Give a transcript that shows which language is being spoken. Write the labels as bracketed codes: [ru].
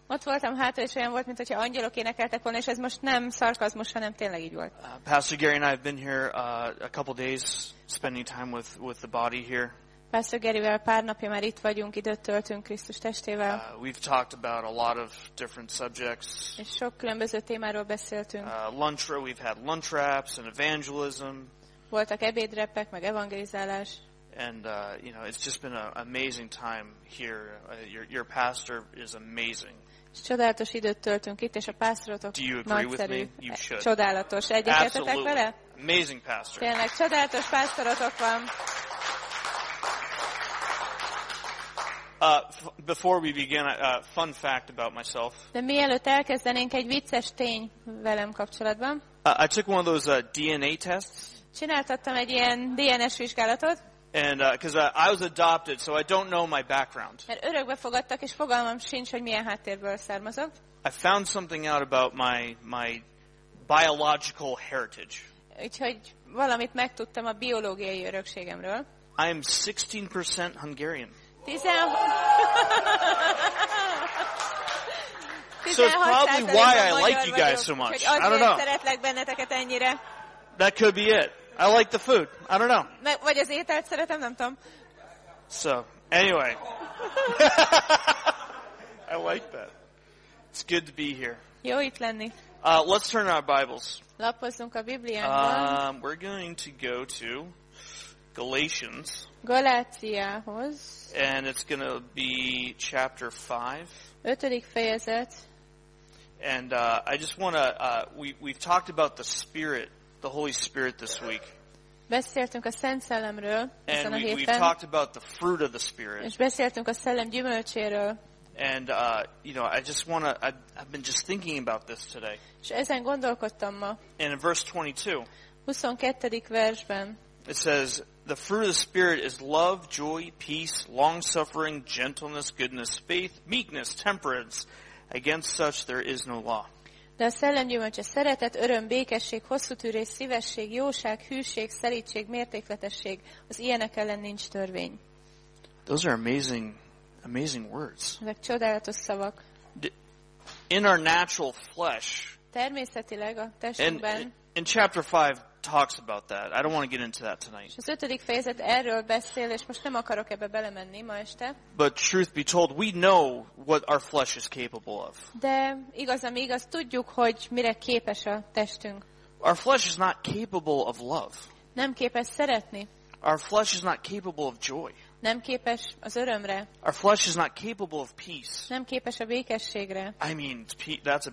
[hu] Ott voltam hátra, és olyan volt, mintha angyalok énekeltek volna, és ez most nem szarkazmus, hanem tényleg így volt. [en] Pastor Gary and I have been here a couple days spending time with the body here. [hu] Pastor Garyvel pár napja már itt vagyunk, időt töltünk Krisztus testével. [en] We've talked about a lot of different subjects. [hu] És sok különböző témáról beszéltünk. [en] We've had lunch wraps and evangelism. [hu] Voltak ebédrepek, meg evangelizálás. [en] And it's just been an amazing time here. Your pastor is amazing. [hu] Csodálatos időt töltünk itt, és a pásztorotok [en] nagyszerű. Do you agree with me? You should. [hu] Csodálatos. Egyetértetek vele? [en] Amazing pastor. [hu] Tényleg csodálatos pásztorotok van. [en] Before we begin, a fun fact about myself. [hu] De mielőtt elkezdenénk, egy vicces tény velem kapcsolatban. [en] I took one of those DNA tests. [hu] Csináltattam egy ilyen DNS vizsgálatot. [en] And because I was adopted, so I don't know my background. [hu] Mert örökbe fogadtak, és fogalmam sincs, hogy milyen háttérből származok. [en] I found something out about my biological heritage. [hu] Úgyhogy valamit megtudtam a biológiai örökségemről. [en] I am 16% Hungarian. [hu] 16%. [en] So it's probably why I like you guys so much. I don't know. [hu] Szeretlek benneteket ennyire. [en] That could be it. I like the food. I don't know. [hu] Vagy az ételt szeretem, nem tudom. [en] So, anyway. I like that. It's good to be here. [hu] Jó itt lenni. [en] Let's turn our Bibles. [hu] Lapozzunk a Bibliánkban. [en] We're going to go to Galatians. [hu] Galáciához. [en] And it's going to be chapter 5. [hu] Ötödik fejezet. [en] And I just want to, we've talked about the Spirit. The Holy Spirit this week. [hu] Beszéltünk a Szent Szellemről ezen a héten. [en] And we've talked about the fruit of the Spirit. [hu] És beszéltünk a szellem gyümölcséről. [en] And I've been just thinking about this today. [hu] És ezen gondolkodtam ma. [en] And in verse 22. [hu] 22. versben. [en] It says, the fruit of the Spirit is love, joy, peace, long-suffering, gentleness, goodness, faith, meekness, temperance. Against such there is no law. [hu] De a szellemgyümölcse szeretet, öröm, békesség, hosszú tűrés, szívesség, jóság, hűség, szelídség, mértékletesség. Az ilyenek ellen nincs törvény. [en] Those are amazing, amazing words. [hu] Ezek csodálatos szavak. [en] In our natural flesh. [hu] Természetileg a testünkben. [en] In chapter 5 talks about that. I don't want to get into that tonight. [hu] És az ötödik fejezet erről beszél, és most nem akarok ebbe belemenni ma este. [en] But truth be told, we know what our flesh is capable of. [hu] De igaz, ami igaz, tudjuk, hogy mire képes a testünk. [en] Our flesh is not capable of love. [hu] Nem képes szeretni. [en] Our flesh is not capable of joy. [hu] Nem képes az örömre. [en] Our flesh is not capable of peace. [hu] Nem képes a békességre. [en] I mean, that's a big